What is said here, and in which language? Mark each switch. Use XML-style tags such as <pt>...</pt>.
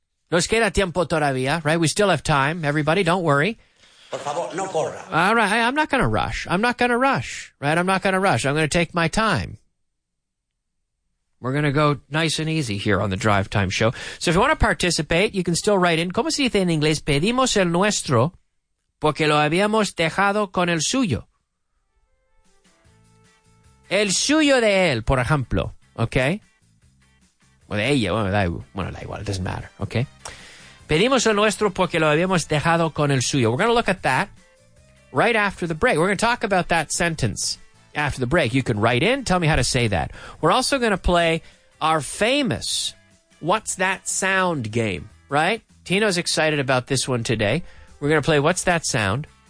<es>Nos queda tiempo todavía,</es> <en>right? We still have time. Everybody, don't worry.</en> <es>Por favor, no corra.</es> <en>All right. I'm not going to rush. I'm going to take my time. We're going to go nice and easy here on the Drive Time Show. So if you want to participate, you can still write in.</en> <es>¿Cómo se dice en inglés? Pedimos el nuestro porque lo habíamos dejado con el suyo. El suyo de él, por ejemplo. Okay? O de ella. Da igual.</es> <en>It doesn't matter.</en> <es>Okay? Pedimos el nuestro porque lo habíamos dejado con el suyo.</es> <en>We're going to look at that right after the break. We're going to talk about that sentence. After the break, you can write in, tell me how to say that. We're also going to play our famous What's That Sound game, right? Tino's excited about this one today. We're going to play What's That Sound.</en>